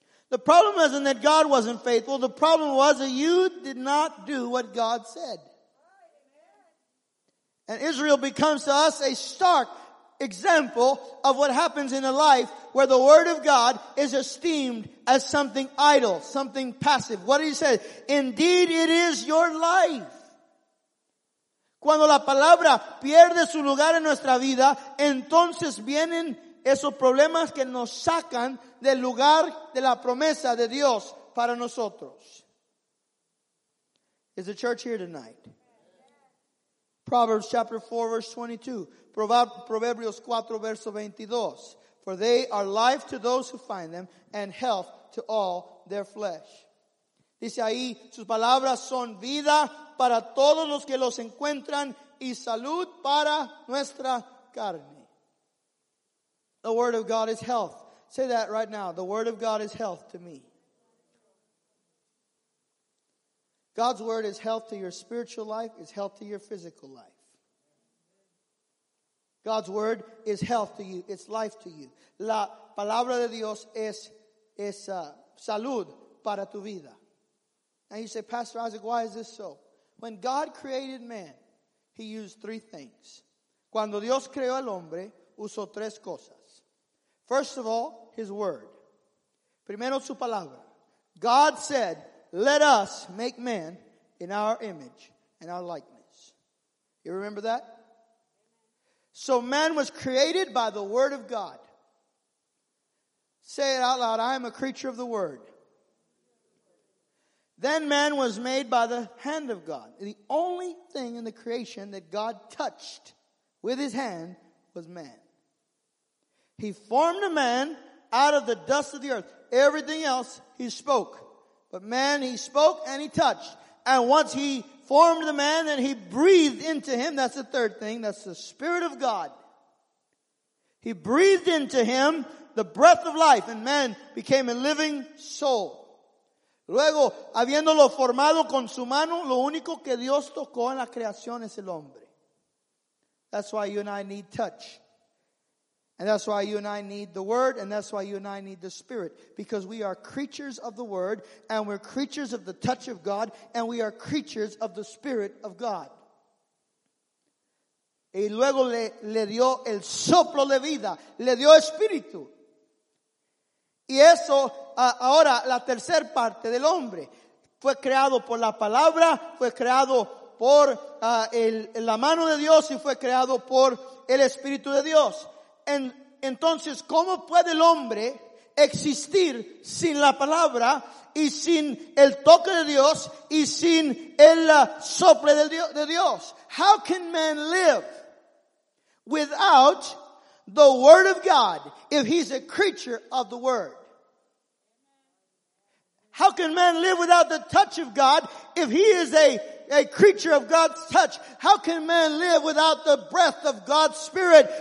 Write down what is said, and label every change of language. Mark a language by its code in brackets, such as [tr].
[en] The problem wasn't that God wasn't faithful. The problem was that you did not do what God said. And Israel becomes to us a stark example of what happens in a life where the word of God is esteemed as something idle, something passive. What did he say? Indeed, it is your life. [es] Cuando la palabra pierde su lugar en nuestra vida, entonces vienen esos problemas que nos sacan del lugar de la promesa de Dios para nosotros. [en] Is the church here tonight? Proverbs chapter 4, verse 22. [es] Proverbios 4, verso 22. [en] For they are life to those who find them and health to all their flesh. [es] Dice ahí, sus palabras son vida para todos los que los encuentran y salud para nuestra carne. [en] The word of God is health. Say that right now. The word of God is health to me. God's word is health to your spiritual life. It's health to your physical life. God's word is health to you. It's life to you. [es] La palabra de Dios es salud para tu vida. [en] Now you say, Pastor Isaac, why is this so? When God created man, he used three things. [es] Cuando Dios creó al hombre, usó tres cosas. [en] First of all, his word. [es] Primero su palabra. [en] God said, let us make man in our image and our likeness. You remember that? So man was created by the word of God. Say it out loud. I am a creature of the word. Then man was made by the hand of God. The only thing in the creation that God touched with his hand was man. He formed a man out of the dust of the earth. Everything else he spoke. But man, he spoke and he touched. And once he formed the man and he breathed into him, that's the third thing, that's the Spirit of God. He breathed into him the breath of life and man became a living soul. [es] Luego, habiéndolo formado con su mano, lo único que Dios tocó en la creación es el hombre. [en] That's why you and I need touch. And that's why you and I need the word, and that's why you and I need the spirit. Because we are creatures of the word, and we're creatures of the touch of God, and we are creatures of the spirit of God. [es] Y luego le dio el soplo de vida, le dio espíritu. Y eso, ahora la tercera parte del hombre, fue creado por la palabra, fue creado por la mano de Dios, y fue creado por el espíritu de Dios. Entonces, ¿cómo puede el hombre existir sin la palabra y sin el toque de Dios y sin el soplo de Dios? [en] How can man live without the word of God if he's a creature of the word? How can man live without the touch of God if he is a creature of God's touch? How can man live without the breath of God's spirit?